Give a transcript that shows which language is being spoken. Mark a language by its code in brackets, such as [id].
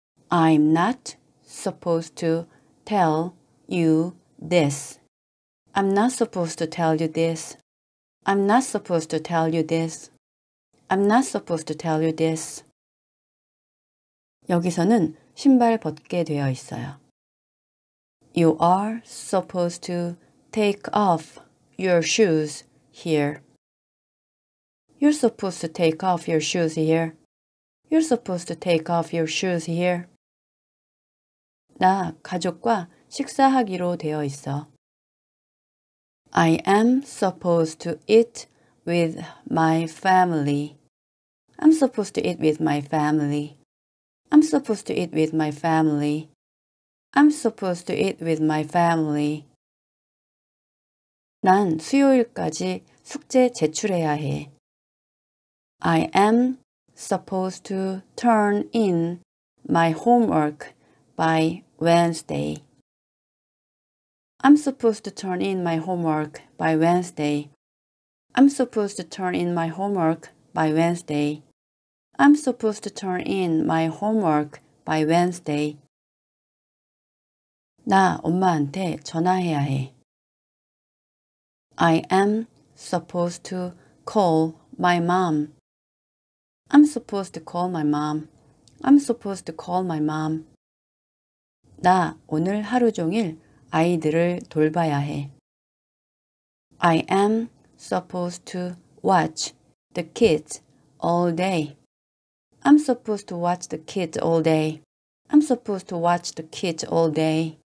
[en] I'm not supposed to tell you this. I'm not supposed to tell you this. I'm not supposed to tell you this. I'm not supposed to tell you this. [ko] 여기서는 신발 벗게 되어 있어요. [en] You are supposed to take off your shoes here. You're supposed to take off your shoes here. You're supposed to take off your shoes here. [ko] 나 가족과 식사하기로 되어 있어. [en] I am supposed to eat with my family. I'm supposed to eat with my family. I'm supposed to eat with my family. I'm supposed to eat with my family. [ko] 난 수요일까지 숙제 제출해야 해. [en] I am supposed to turn in my homework by Wednesday. I'm supposed to turn in my homework by Wednesday. I'm supposed to turn in my homework by Wednesday. I'm supposed to turn in my homework by Wednesday. [ko] 나 엄마한테 전화해야 해. [en] I am supposed to call my mom. I'm supposed to call my mom. I'm supposed to call my mom. [ko] 나 오늘 하루 종일 아이들을 돌봐야 해. [en] I am supposed to watch the kids all day. I'm supposed to watch the kids all day. I'm supposed to watch the kids all day.